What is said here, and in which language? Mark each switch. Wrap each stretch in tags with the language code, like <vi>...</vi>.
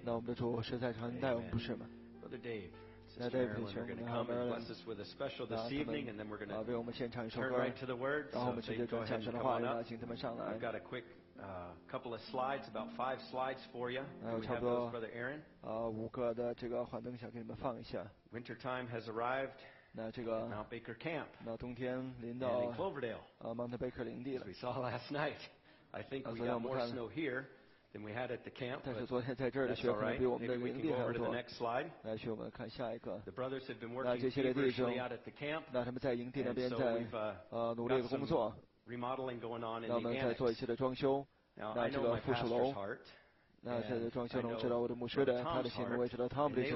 <zh>那我们的主实在常待我们，不是吗？</zh> <en>Brother Dave, Sister Carolyn, we're going to come and bless us with a special this evening, and then we're going to turn right to the word. So they go ahead and come on up. I've got a quick couple of slides, about five slides for you. Can we have those, Brother Aaron?</en> <zh>五个的这个幻灯想给你们放一下。</zh> <en>Winter time has arrived. Mount Baker Camp.</en> <zh>那冬天临到</zh> <en>in Cloverdale.</en> <zh>Mount Baker 领地了。</zh> <en>We saw last night. I think we got more snow here than we had at the camp.</en> <zh>但是昨天在这儿的雪可能比我们的营地还多。</zh> <en>Maybe we can go over to the next slide.</en> <zh>来，去我们看下一个。</zh> <en>The brothers have been working feverishly out at the camp.</en> <zh>那他们在营地那边在努力的工作。</zh> <en>Remodeling going on in the annex.</en> <zh>那我们在做一些的装修。</zh> <en>Now I know my pastor's heart.</en> <zh>那现在装修，我知道我的牧师的他的心，我也知道 Tom 的心。</zh>